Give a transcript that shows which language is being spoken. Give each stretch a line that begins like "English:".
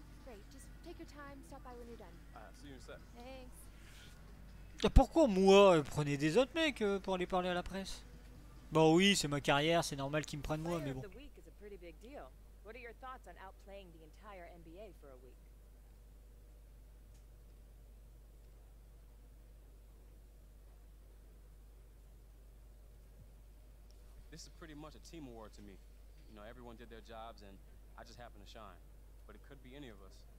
English: Great, just take your time, stop by when you're done. See you in a sec. Thanks.
French: Et pourquoi moi, prenez des autres mecs pour aller parler à la presse? Bon oui, c'est ma carrière, c'est normal qu'ils me prennent moi, mais bon.
English: The week is a pretty big deal. What are your thoughts on outplaying the entire NBA for a week? This is pretty much a team award to me. You know, everyone did their jobs and I just happened to shine. But it could be any of us.